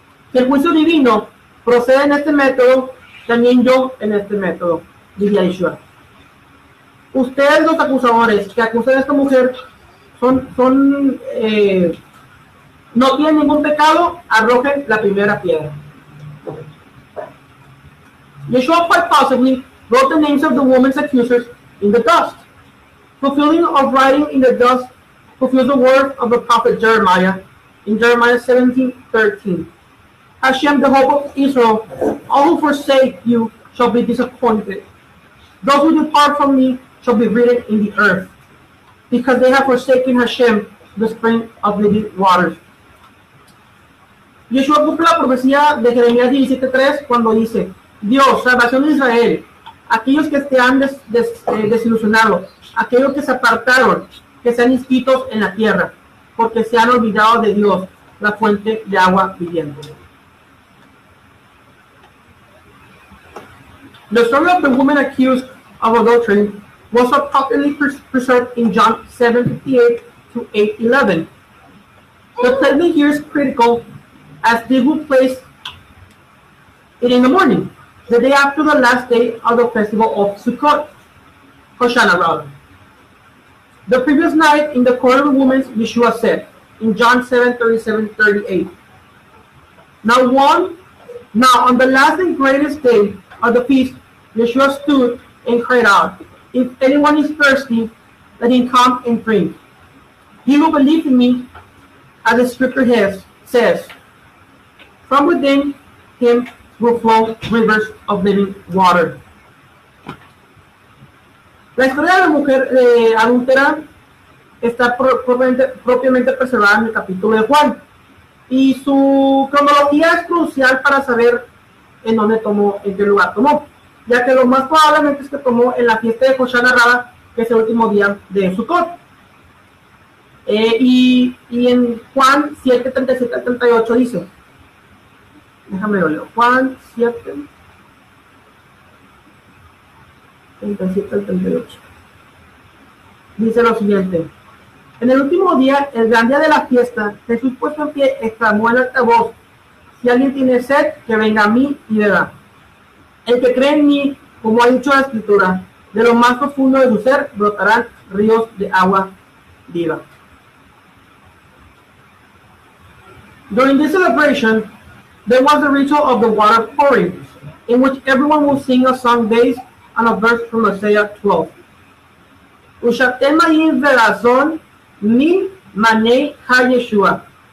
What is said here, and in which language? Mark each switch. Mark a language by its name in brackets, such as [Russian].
[Spanish] Si el juicio divino procede en este método, también yo en este método, diría Yeshua. Ustedes los acusadores que acusan a esta mujer no tienen ningún pecado, arrojen la primera piedra. [English] Yeshua quite possibly wrote the names of the woman's accusers in the dust. Fulfilling of writing in the dust fulfills the word of the prophet Jeremiah in Jeremiah 17:13. Hashem, the hope of Israel, all who forsake you shall be disappointed. Those who depart from me shall be rooted in the earth, because they have forsaken Hashem, the spring of living waters. Yeshua cumple la profecía de Jeremías 17:3 cuando dice, Dios, salvación de Israel, aquellos que te han desilusionado, aquellos que se apartaron, que sean inscritos en la tierra, porque se han olvidado de Dios, la fuente de agua viviente. The story of the woman accused of adultery was appropriately preserved in John 7:58-8:11. The telling here is critical, as they will place it in the morning, the day after the last day of the festival of Sukkot, Hoshana rather. The previous night in the court of the woman, Yeshua said, in John 7:37-38. Now on the last and greatest day of the feast, Yeshua stood and cried out, if anyone is thirsty, let him come and drink. He who believes in me, as the scripture says, from within him will flow rivers of living water. [Spanish] La historia de la mujer adultera está propiamente preservada en el capítulo de Juan. Y su cronología es crucial para saber en dónde tomó, en qué lugar tomó. Ya que lo más probablemente es que tomó en la fiesta de Hoshana Rabba, que es el último día de Sukkot. Y en Juan 7:37-38 dice, déjame lo leo, Juan 7:37-38, dice lo siguiente, en el último día, el gran día de la fiesta, Jesús puesto en pie, exclamó en alta voz, si alguien tiene sed, que venga a mí y beba. El que cree en mí, como ha dicho la escritura, de lo más profundo de su ser brotarán ríos de agua viva. [English] During this celebration, there was the ritual of the water pouring, in which everyone will sing a song based on a verse from Isaiah 12. [Hebrew] Ushatem ha'in ve'razon mi manei ha'yeshua.